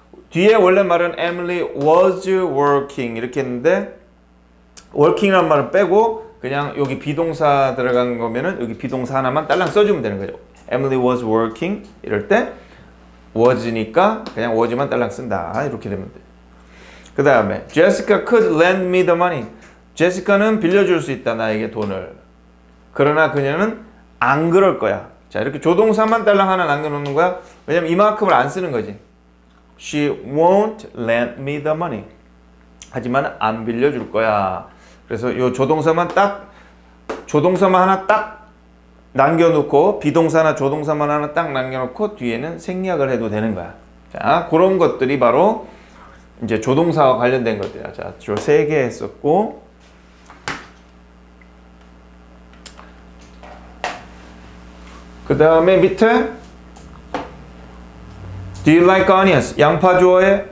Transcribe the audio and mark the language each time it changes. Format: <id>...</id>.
<ko>뒤에 원래 말은</ko> <en>Emily was working</en> <ko>이렇게 했는데 working이라는 말을 빼고 그냥 여기 비동사 들어간 거면은 여기 비동사 하나만 딸랑 써주면 되는 거죠.</ko> <en>Emily was working</en> <ko>이럴 때 was니까 그냥 was만 딸랑 쓴다. 이렇게 되면 돼. 그 다음에</ko> <en>Jessica could lend me the money.</en> <ko>제시카는 빌려줄 수 있다, 나에게 돈을. 그러나 그녀는 안 그럴 거야. 자, 이렇게 조동사만 딸랑 하나 남겨놓는 거야. 왜냐면 이만큼을 안 쓰는 거지.</ko> <en>She won't lend me the money.</en> <ko>하지만 안 빌려줄 거야. 그래서 요 조동사만 딱, 조동사만 하나 딱 남겨놓고, 비동사나 조동사만 하나 딱 남겨놓고, 뒤에는 생략을 해도 되는 거야. 자, 그런 것들이 바로 이제 조동사와 관련된 것들이야. 자, 저 세 개 했었고, 그 다음에 밑에</ko> <en>Do you like onions?</en> <ko>양파 좋아해?</ko>